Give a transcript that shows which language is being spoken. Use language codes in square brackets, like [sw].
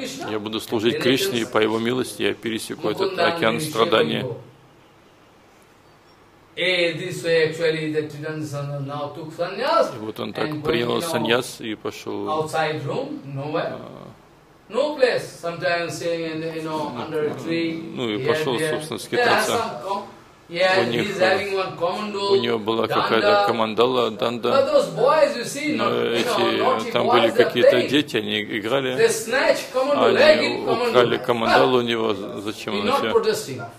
[ru] Я буду служить Кришне, и по его милости я пересеку этот океан страдания. [en] This way actually the Tridandi Sanyas now took sanyas and [ru] вот он так принял саньяс и пошел [en] outside room, nowhere. No place. Sometimes saying in the, you know, under a tree. [ru] Ну и пошел, собственно, скитаться. [en] Yeah, [ru] у них, [en] he's having one commando, [ru] у него была какая-то командала, данда. [en] But those boys, you see, not, you [ru] эти, [en] know, [ru] там [en] boys, [ru] были какие-то дети, они играли. [en] They snatch commando, [ru] они украли командалу у него, зачем он вообще?